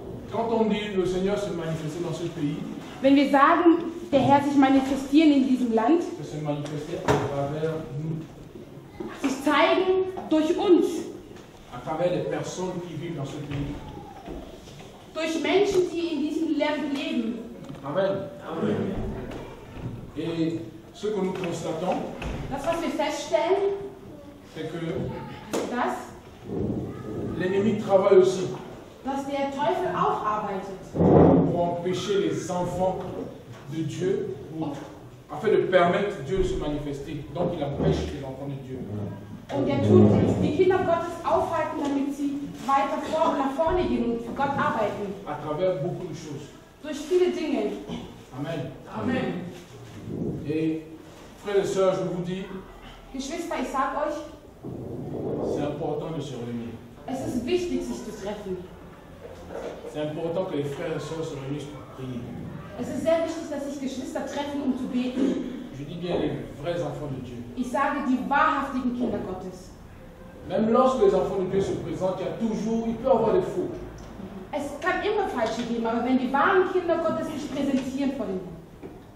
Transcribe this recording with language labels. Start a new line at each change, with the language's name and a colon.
French: Quand on dit le Seigneur se manifester dans ce pays,
German: wenn wir sagen, der Herr sich manifestieren in diesem Land, sich zeigen durch uns,
French: à travers les personnes qui vivent dans ce pays,
German: durch Menschen, die in diesem Land leben. Amen. Amen.
French: Et ce que nous constatons,
German: das, was wir feststellen,
French: c'est que
German: das,
French: l'ennemi travaille aussi.
German: Dass der Teufel auch arbeitet.
French: Pour empêcher les enfants de Dieu, afin de permettre Dieu de se manifester. Donc il empêche les enfants de Dieu.
German: Und er tut es, die Kinder Gottes aufhalten, damit sie weiter vor und nach vorne gehen und für Gott arbeiten.
French: À travers beaucoup de choses.
German: Durch viele Dinge. Amen. Amen.
French: Et frères et sœurs, je vous dis,
German: Geschwister, ich sag euch,
French: c'est important de se réunir.
German: Es ist wichtig, sich zu treffen.
French: C'est important que les frères et sœurs se réunissent pour prier.
German: Es ist sehr wichtig, dass sich Geschwister treffen, um zu beten.
French: Je dis bien les vrais enfants de Dieu.
German: Ich sage die wahrhaftigen Kinder Gottes.
French: Même lorsque les enfants de Dieu se présentent, il y a toujours, il peut avoir des faux.
German: Es kann immer falsche geben, aber wenn die wahren Kinder Gottes sich präsentieren vor dem Herrn.